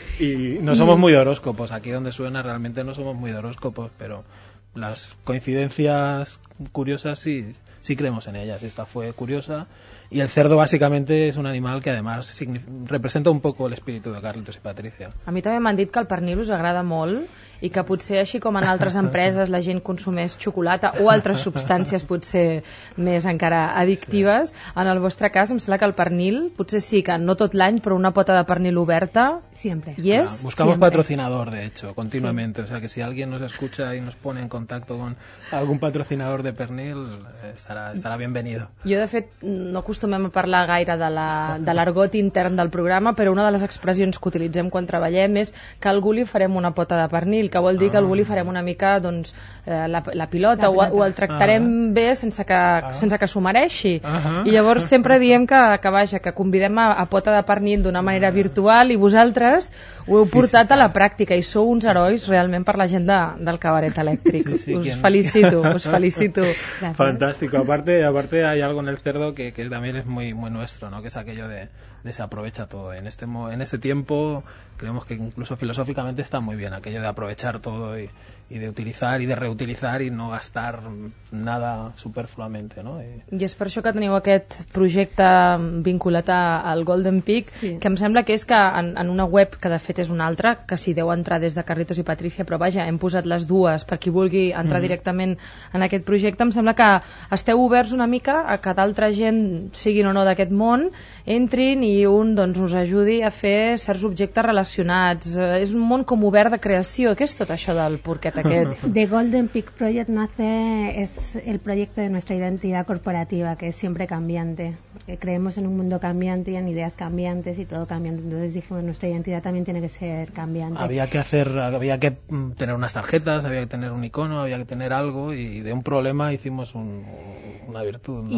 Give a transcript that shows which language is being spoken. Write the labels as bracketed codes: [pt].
[es] Y no somos muy de horóscopos, aquí donde suena realmente no somos muy de horóscopos, pero las coincidencias curiosas sí... Sí creemos en ellas, esta fue curiosa. Y el cerdo básicamente es un animal que además representa un poco el espíritu de Carlitos y Patricia. [ca] A mi també m'han dit que el pernil us agrada molt i que potser així com en altres empreses la gent consumeix xocolata o altres substàncies potser més encara addictives, sí. En el vostre cas em sembla que el pernil, potser sí que no tot l'any, però una pota de pernil oberta... [es] Siempre. Y es... Buscamos patrocinador, de hecho, continuamente. Sí. O sea que si alguien nos escucha y nos pone en contacto con algún patrocinador de pernil... [ca] Estarà [es] bienvenido. [ca] Jo, de fet, no acostumem a parlar gaire de l'argot intern del programa, però una de les expressions que utilitzem quan treballem és que algú li farem una pota de pernil, que vol dir que algú li farem una mica doncs, la pilota, o el tractarem bé sense que s'ho mereixi. I llavors sempre diem que vaja, que convidem a pota de pernil d'una manera virtual i vosaltres ho heu portat a la pràctica i sou uns herois realment per la gent del cabaret elèctric. Sí, sí, us felicito. Fantàstic. [es] Aparte hay algo en el cerdo que también es muy muy nuestro, ¿no? Que es aquello de se aprovecha todo. En este tiempo creemos que incluso filosóficamente está muy bien aquello de aprovechar todo y de utilizar y de reutilizar y no gastar nada superfluamente, ¿no? [ca] I és per això que teniu aquest projecte vinculat al Golden Peak, sí. Que em sembla que és que en una web, que de fet és una altra, que si deu entrar des de Carlitos i Patricia, però vaja, hem posat les dues per qui vulgui entrar directament en aquest projecte, em sembla que esteu oberts una mica a que d'altra gent, siguin o no d'aquest món, entrin i un doncs us ajudi a fer certs objectes relacionats. És un món com obert de creació. Què és tot això del porquet aquest? [es] The Golden Peak Project nace, es el proyecto de nuestra identidad corporativa, que es siempre cambiante. Creemos en un mundo cambiante y en ideas cambiantes y todo cambiante. Entonces dijimos, nuestra identidad también tiene que ser cambiante. Había que tener unas tarjetas, había que tener un icono, había que tener algo, y de un problema hicimos una virtud, ¿no?